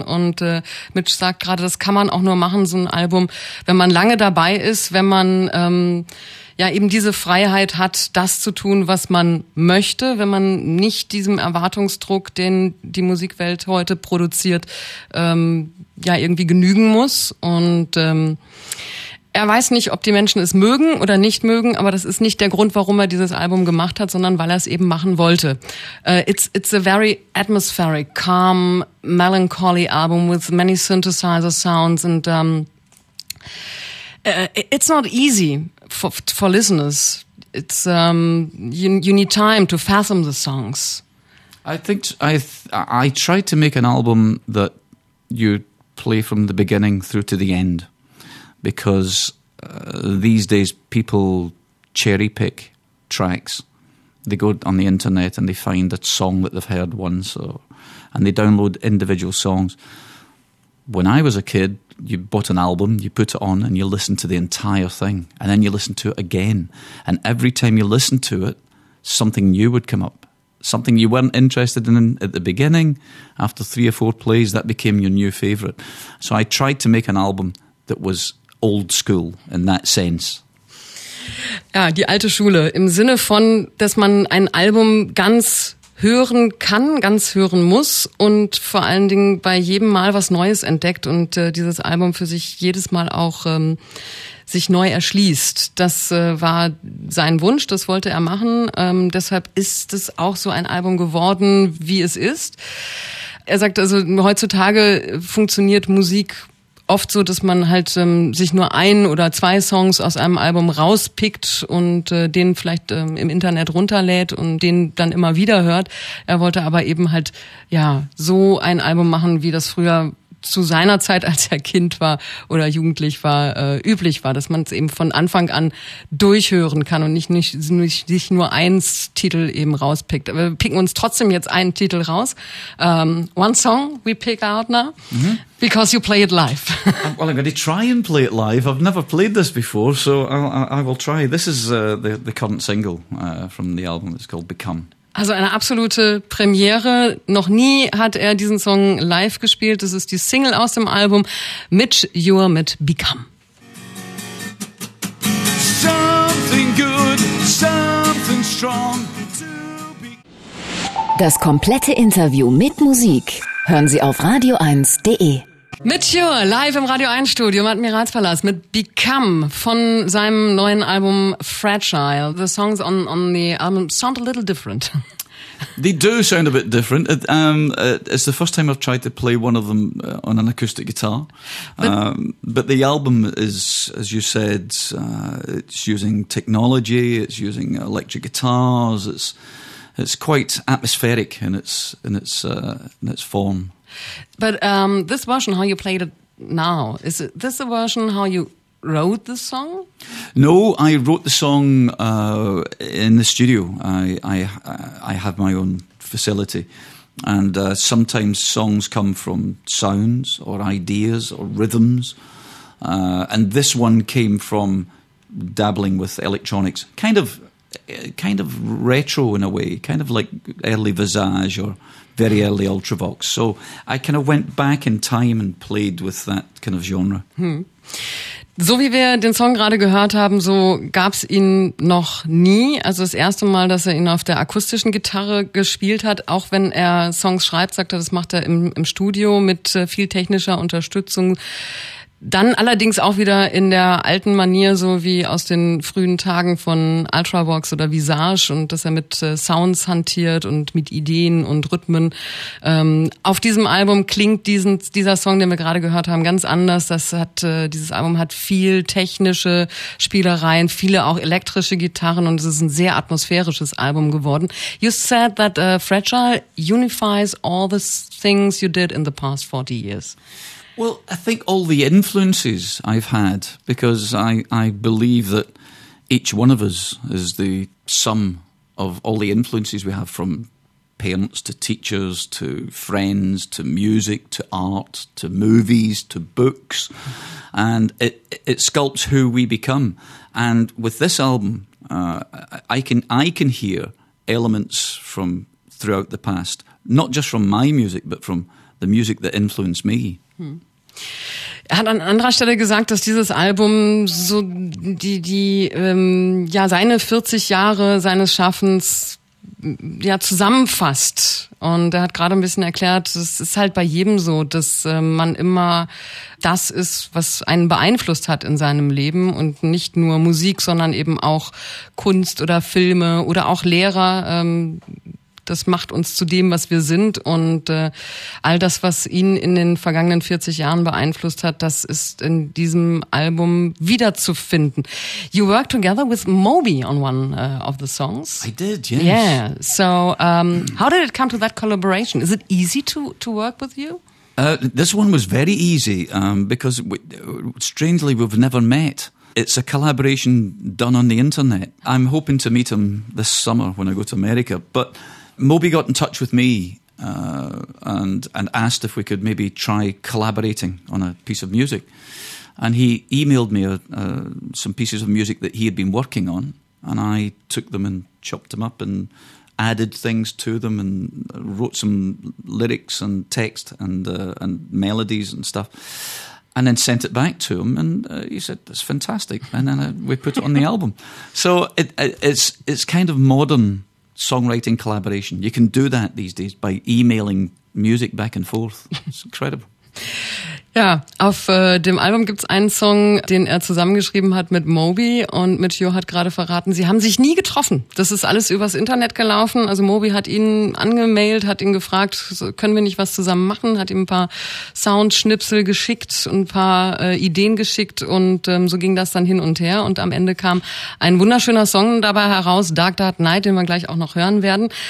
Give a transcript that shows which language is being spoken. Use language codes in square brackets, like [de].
[de] Und Mitch sagt gerade, das kann man auch nur machen, so ein Album, wenn man lange dabei ist, wenn man ja eben diese Freiheit hat, das zu tun, was man möchte, wenn man nicht diesem Erwartungsdruck, den die Musikwelt heute produziert, ja irgendwie genügen muss. Und er weiß nicht, ob die Menschen es mögen oder nicht mögen, aber das ist nicht der Grund, warum er dieses Album gemacht hat, sondern weil er es eben machen wollte. [en] It's a very atmospheric, calm, melancholy album with many synthesizer sounds, and it's not easy for listeners. It's you need time to fathom the songs. I try to make an album that you play from the beginning through to the end, because these days people cherry pick tracks. they go on the internet and they find a song that they've heard once, or, and they download individual songs. When I was a kid, you bought an album, you put it on, and you listened to the entire thing, and then you listened to it again. And every time you listened to it, something new would come up, something you weren't interested in at the beginning. After three or four plays, that became your new favourite. So I tried to make an album that was old school in that sense. [de] Ja, die alte Schule, im Sinne von, dass man ein Album ganz hören kann, ganz hören muss und vor allen Dingen bei jedem Mal was Neues entdeckt und dieses Album für sich jedes Mal auch sich neu erschließt. Das war sein Wunsch, das wollte er machen. Deshalb ist es auch so ein Album geworden, wie es ist. Er sagt also, heutzutage funktioniert Musik oft so, dass man halt sich nur ein oder zwei Songs aus einem Album rauspickt und den vielleicht im Internet runterlädt und den dann immer wieder hört. Er wollte aber eben halt ja so ein Album machen, wie das früher zu seiner Zeit, als er Kind war oder jugendlich war, üblich war, dass man es eben von Anfang an durchhören kann und nicht nur eins Titel eben rauspickt. Aber wir picken uns trotzdem jetzt einen Titel raus. [en] One song we pick out now. Mm-hmm. Because you play it live. Well, I'm going to try and play it live. I've never played this before, so I will try. This is the current single from the album. It's called Become. [de] Also eine absolute Premiere. Noch nie hat er diesen Song live gespielt. Das ist die Single aus dem Album Mitch Ure mit Become. [en] Something good, something strong to be. [de] Das komplette Interview mit Musik hören Sie auf radio1.de. Mitchell, live im Radio 1 Studio im Admiralspalast mit Become von seinem neuen Album Fragile. [en] The songs on the album sound a little different. They do sound a bit different. It's the first time I've tried to play one of them on an acoustic guitar. But the album is, as you said, it's using technology, it's using electric guitars, it's quite atmospheric in its form. But this version, how you played it now, is it this the version how you wrote the song? No, I wrote the song in the studio. I have my own facility, and sometimes songs come from sounds or ideas or rhythms. And this one came from dabbling with electronics, kind of retro in a way, kind of like early Visage or very early Ultravox. So I kind of went back in time and played with that kind of genre. [de] So wie wir den Song gerade gehört haben, so gab's ihn noch nie. Also das erste Mal, dass er ihn auf der akustischen Gitarre gespielt hat, auch wenn er Songs schreibt, sagt er, das macht er im Studio mit viel technischer Unterstützung. Dann allerdings auch wieder in der alten Manier, so wie aus den frühen Tagen von Ultravox oder Visage, und dass er mit Sounds hantiert und mit Ideen und Rhythmen. Auf diesem Album klingt dieser Song, den wir gerade gehört haben, ganz anders. Dieses Album hat viel technische Spielereien, viele auch elektrische Gitarren, und es ist ein sehr atmosphärisches Album geworden. [en] You said that Fragile unifies all the things you did in the past 40 years. Well, I think all the influences I've had, because I believe that each one of us is the sum of all the influences we have, from parents to teachers to friends to music to art to movies to books, and it sculpts who we become. And with this album, I can hear elements from throughout the past, not just from my music, but from the music that influenced me. Hmm. [de] Er hat an anderer Stelle gesagt, dass dieses Album so die seine 40 Jahre seines Schaffens ja zusammenfasst. Und er hat gerade ein bisschen erklärt, es ist halt bei jedem so, dass man immer das ist, was einen beeinflusst hat in seinem Leben, und nicht nur Musik, sondern eben auch Kunst oder Filme oder auch Lehrer. Das macht uns zu dem, was wir sind, und all das, was ihn in den vergangenen 40 Jahren beeinflusst hat, das ist in diesem Album wiederzufinden. [en] You worked together with Moby on one of the songs. I did, yes. Yeah. So, how did it come to that collaboration? Is it easy to work with you? This one was very easy, because strangely, we've never met. it's a collaboration done on the internet. I'm hoping to meet him this summer when I go to America. But Moby got in touch with me and asked if we could maybe try collaborating on a piece of music. And he emailed me some pieces of music that he had been working on, and I took them and chopped them up and added things to them and wrote some lyrics and text and melodies and stuff, and then sent it back to him, and he said, "That's fantastic," and then we put it on the album. So it's kind of modern songwriting collaboration. You can do that these days by emailing music back and forth. It's incredible. [de] Ja, auf dem Album gibt's einen Song, den er zusammengeschrieben hat mit Moby, und Mitch Jo hat gerade verraten, sie haben sich nie getroffen. Das ist alles übers Internet gelaufen. Also Moby hat ihn angemailt, hat ihn gefragt, können wir nicht was zusammen machen, hat ihm ein paar Soundschnipsel geschickt, ein paar Ideen geschickt, und so ging das dann hin und her, und am Ende kam ein wunderschöner Song dabei heraus, Dark Dark Night, den wir gleich auch noch hören werden.